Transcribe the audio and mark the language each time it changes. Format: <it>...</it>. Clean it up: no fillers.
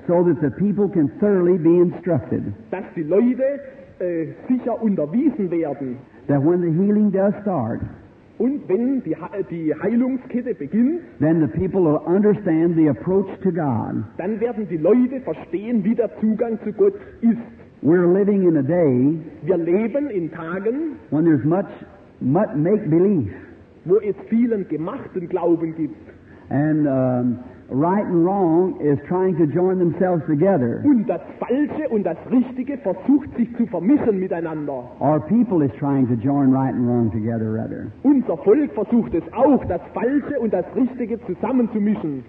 <en>So that the people can thoroughly be instructed.</en> <de>Dass die Leute sicher unterwiesen werden.</de> <en>That when the healing does start.</en> <de>Und wenn die Heilungskette beginnt,</de> <en>then the people will understand the approach to God.</en> <de>Dann werden die Leute verstehen, wie der Zugang zu Gott ist.</de> <en>We're living in a day,</en> <de>wir leben in Tagen,</de> <en>when there's much make-believe,</en> <de>wo es vielen gemachten Glauben gibt.</de> <en>And right and wrong is trying to join themselves together.</en> <de>Und das Falsche und das Richtige versucht sich zu vermischen miteinander.</de> <en>Our people is trying to join right and wrong together, rather.</en> <de>Unser Volk versucht es auch, das Falsche und das Richtige zusammenzumischen.</de>